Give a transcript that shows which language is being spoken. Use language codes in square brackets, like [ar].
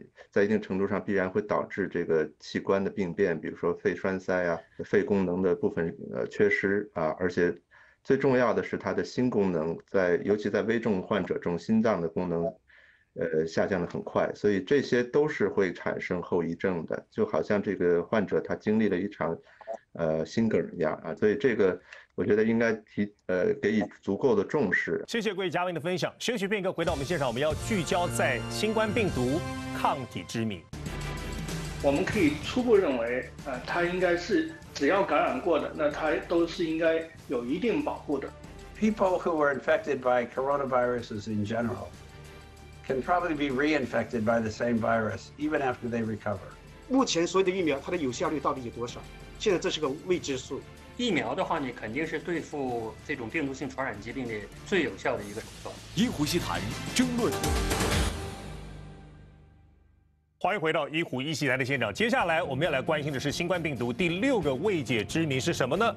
[zh] 在一定程度上必然会导致这个器官的病变，比如说肺栓塞啊，肺功能的部分缺失啊，而且最重要的是他的心功能在尤其在危重患者中心脏的功能下降得很快，所以这些都是会产生后遗症的，就好像这个患者他经历了一场心梗一样啊，所以这个我觉得应该给予足够的重视。谢谢各位嘉宾的分享，休息片刻回到我们现场，我们要聚焦在新冠病毒抗体之谜。我们可以初步认为他应该是只要感染过的，那他都是应该有一定保护的。 [en] People who were infected by coronaviruses in generalcan probably be reinfected by the same virus even after they recover. [zh] 目前所有的疫苗它的有效率到底有多少？现在这是个未知数。疫苗的话，你肯定是对付这种病毒性传染疾病的最有效的一个手段。医湖医谈争论。欢迎回到医湖医系台的现场，接下来我们要来关心的是新冠病毒第六个未解之谜是什么呢？